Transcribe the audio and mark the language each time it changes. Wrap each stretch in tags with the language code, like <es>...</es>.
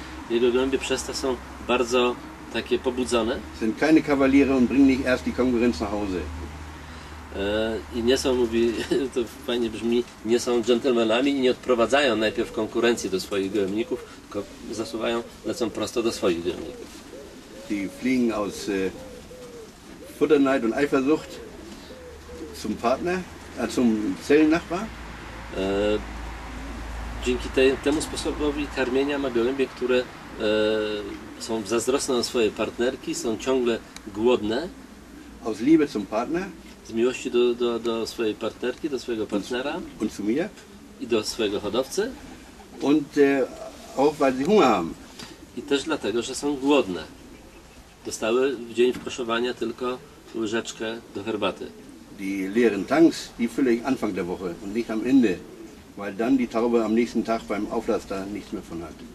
<pl>Jego gołębie przez to są bardzo takie pobudzone.</pl> <de>Sind keine Kavaliere und bringen nicht erst die Konkurrenz nach Hause.</de> <pl>I nie są, mówi, to fajnie brzmi, nie są dżentelmenami i nie odprowadzają najpierw konkurencji do swoich gołębników, tylko zasuwają, lecą prosto do swoich gołębników.</pl> <de>Die fliegen aus Futterneid und Eifersucht zum Partner, zum Zellennachbar.</de> <pl>Dzięki temu sposobowi karmienia ma gołębie, które są zazdrosne o swoje partnerki, są ciągle głodne.</pl> <de>Aus Liebe zum Partner.</de> <pl>Z miłości do swojej partnerki, do swojego partnera.</pl> <de>Und zu mir.</de> <pl>I do swojego hodowcy.</pl> <de>Und auch weil sie Hunger haben.</de> <pl>I też dlatego, że są głodne. Dostały w dzień wkoszowania tylko łyżeczkę do herbaty.</pl> <de>Die leeren Tanks, die fülle ich Anfang der Woche und nicht am Ende, weil dann die Taube am nächsten Tag beim Auflaster nichts mehr von hat.</de>